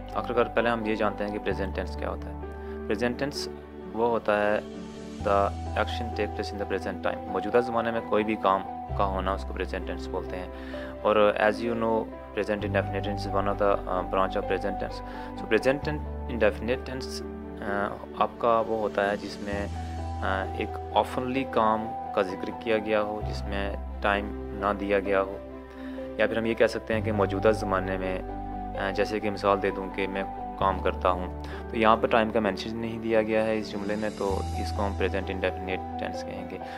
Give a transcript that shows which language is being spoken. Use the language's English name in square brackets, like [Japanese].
[Hindi] आखिरकार पहले हम ये जानते हैं कि present tense क्या होता है. [English] Present tense [Hindi] वो होता है [English] the action take place in the present time. [Hindi] मौजूदा ज़माने में कोई भी काम का होना उसको present tense बोलते हैं. [English] और as you know, present indefinite tense is one of the branch of present tense. [Hindi] So present indefinite tense आपका वो होता है जिसमें एक ऑफनली काम का जिक्र किया गया हो, जिसमें टाइम ना दिया गया हो, या फिर हम ये कह सकते हैं कि मौजूदा ज़माने में, जैसे कि मिसाल दे दूं कि मैं काम करता हूं, तो यहाँ पर टाइम का मेंशन नहीं दिया गया है इस जुमले में, तो इसको हम प्रेजेंट इंडेफिनेट टेंस कहेंगे.